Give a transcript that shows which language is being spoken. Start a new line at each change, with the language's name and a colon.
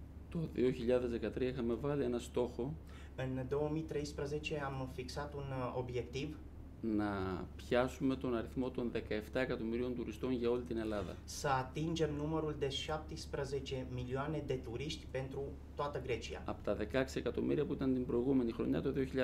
Greek: Το 2013 είχαμε βάλει ένα στόχο.
Romanian: În 2013 am fixat un obiectiv.
Greek: Να πιάσουμε τον αριθμό των 17 εκατομμυρίων τουριστών για όλη την Ελλάδα.
Romanian: Să atingem numărul de 17 milioane de turiști pentru toată Grecia.
Greek: Από τα 16 εκατομμύρια που ήταν την προηγούμενη χρονιά το 2012.